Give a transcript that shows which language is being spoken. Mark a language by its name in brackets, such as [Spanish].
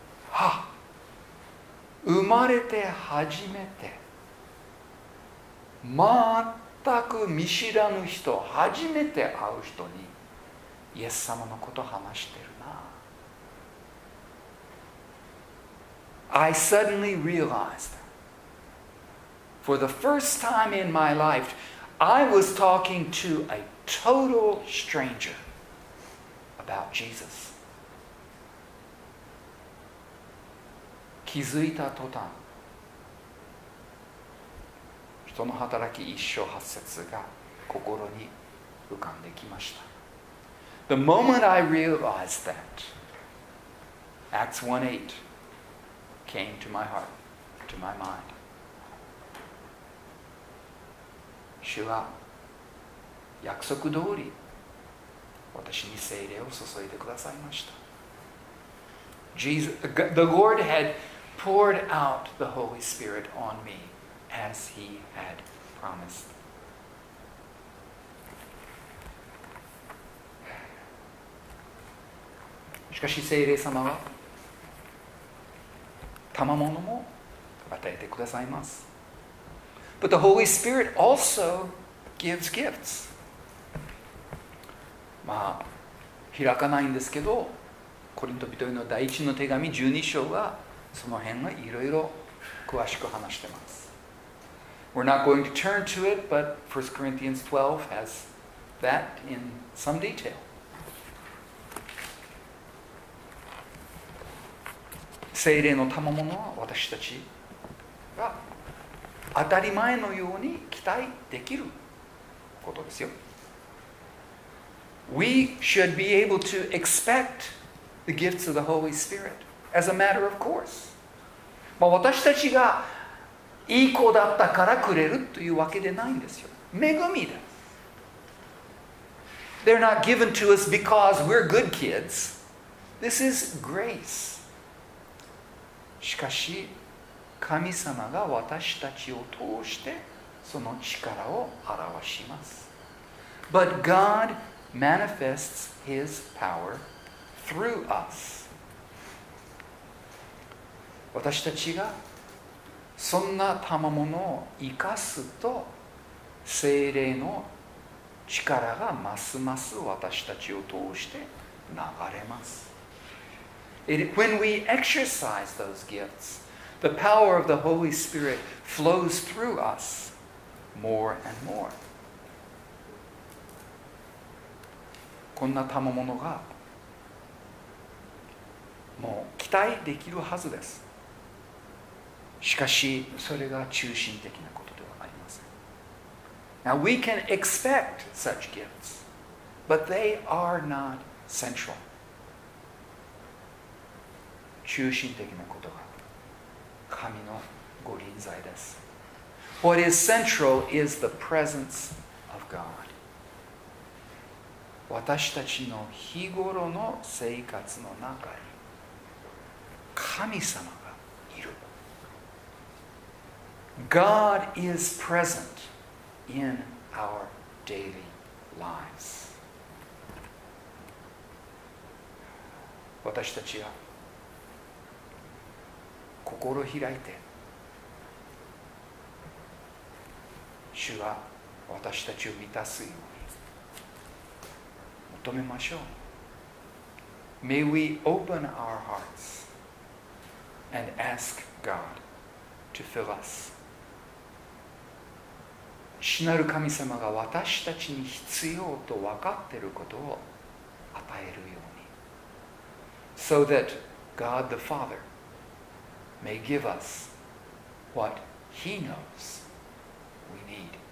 [Japanese] はあ、生まれて初めて、全く見知らぬ人、初めて会う人に、イエス様のこと話してるな。 [English] I suddenly realized, for the first time in my life, I was talking to a total stranger about Jesus. [Japanese] 気づいた途端、人の働き一章八節が心に浮かんできました。 [English] The moment I realized that, Acts 1:8 came to my heart, to my mind. [Japanese] 主は約束通り私に聖霊を注いでくださいました。 [English] Jesus, the Lord had poured out the Holy Spirit on me as He had promised. [Japanese] しかし聖霊様は賜物も与えてくださいます。 [English] But the Holy Spirit also gives gifts. [Japanese] まあ開かないんですけど、コリント人への第一の手紙十二章はその辺がいろいろ詳しく話してます。 [English] We're not going to turn to it, but 1 Corinthians 12 has that in some detail. [Japanese] 聖霊の賜物は私たちが当たり前のように期待できることですよ。 [English] We should be able to expect the gifts of the Holy Spirit as a matter of course. [Japanese] まあ私たちがいい子だったからくれるというわけでないんですよ。恵みだ。 [English] They're not given to us because we're good kids. This is grace. [Japanese] しかし神様が私たちを通してその力を表します。 [English] But God manifests His power through us. [Japanese] 私たちがそんな賜物を生かすと聖霊の力がますます私たちを通して流れます。 [English] When we exercise those gifts, the power of the Holy Spirit flows through us more and more. [Japanese] こんな賜物がもう期待できるはずです。しかしそれが中心的なことではありません。 [English] Now we can expect such gifts, but they are not central. [Japanese] 中心的なことが神の御臨在です。 [English] What is central is the presence of God. [Japanese] 私たちの日頃の生活の中に神様がいる。 [English] God is present in our daily lives. [Japanese] 私たちは心を開いて主は私たちを満たすように求めましょう。 [English] May we open our hearts and ask God to fill us. [Japanese] 主なる神様が私たちに必要と分かっていることを与えるように。 [English] So that God the FatherMay give us what He knows we need.